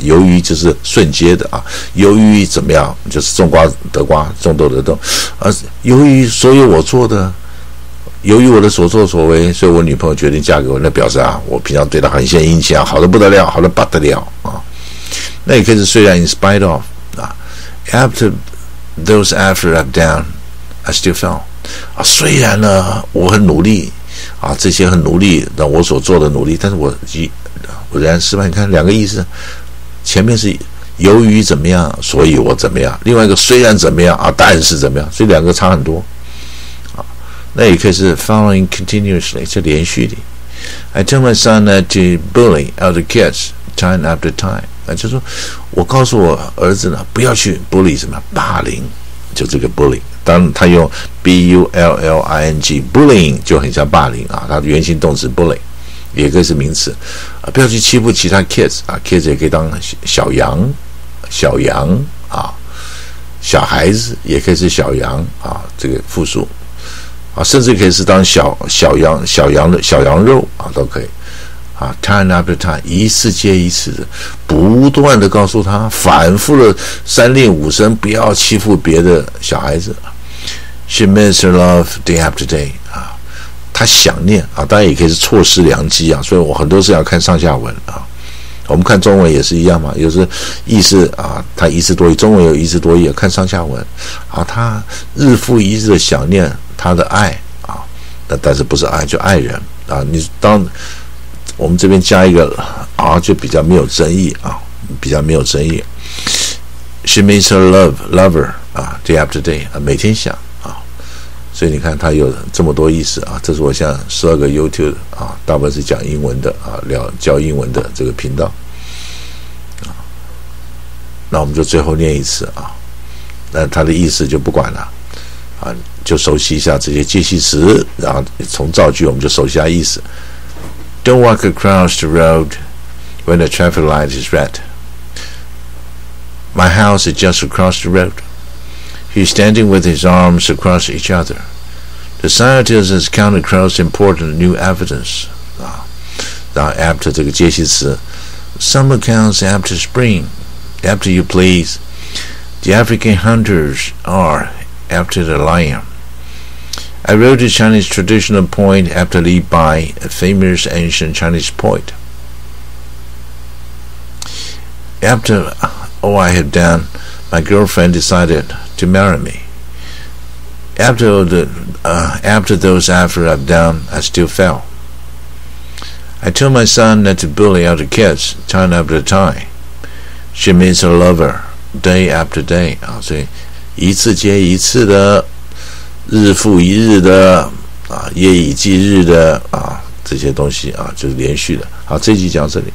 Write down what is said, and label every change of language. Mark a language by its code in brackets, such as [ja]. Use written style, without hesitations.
[zh] 由于就是瞬间的啊，由于怎么样，就是种瓜得瓜，种豆得豆。而由于所有我做的，由于我的所作所为，所以我女朋友决定嫁给我，那表示啊，我平常对她很献殷勤啊，好的不得了，好的不得了啊。那也可以是虽然 in spite of 啊 ， [en] after those effort I've done, I still fell [zh] 啊，虽然呢，我很努力。啊，这些很努力的我所做的努力，但是我仍然失败。你看两个意思，前面是由于怎么样，所以我怎么样；另外一个虽然怎么样啊，但是怎么样，所以两个差很多。啊，那也可以是 following continuously， 就连续的。 [en] I tell my son that to bully other kids time after time， [zh] 啊，就说我告诉我儿子呢，不要去 bully 什么霸凌，就这个 bully。当他用 bullying bullying 就很像霸凌啊，他的原型动词 bully 也可以是名词啊，不要去欺负其他 kids 啊 ，kids 也可以当小羊，小羊啊，小孩子也可以是小羊啊，这个复数啊，甚至可以是当小羊肉啊，都可以啊 ，time after time 一次接一次的不断的告诉他，反复的三令五申不要欺负别的小孩子。 [en] She misses her love day after day [zh] 啊，她想念啊，当然也可以是错失良机啊，所以我很多是要看上下文啊。我们看中文也是一样嘛，有时意思啊，它一字多义，中文有一字多义，看上下文啊，她日复一日的想念她的爱啊，那但是不是爱就爱人啊？你当我们这边加一个啊，就比较没有争议啊，比较没有争议。 [en] She misses her lover 啊 day after day 啊， [zh] 每天想。所以你看它有这么多意思啊，这是我像12个 YouTube 啊，大部分是讲英文的啊，聊教英文的这个频道啊。那我们就最后念一次啊，那它的意思就不管了啊，就熟悉一下这些介系词，然后从造句我们就熟悉一下意思。 [en] Don't walk across the road when the traffic light is red. My house is just across the road.He's standing with his arms across each other. The The scientist has come across important new evidence. [zh] 啊，然后 [en] after [zh] 这个介系词 [en] ，summer comes after spring. After you please. The African hunters are after the lion. I wrote a Chinese traditional poem aptly by a famous ancient Chinese poet. After all I had done, my girlfriend decided to marry me. After those efforts I've done, I still fell. I told my son not to bully other kids time after time. She meets her lover day after day. [zh] 啊，所以一次接一次的，日复一日的，啊，夜以继日的，啊，这些东西啊，就是连续的。好，这集讲这里。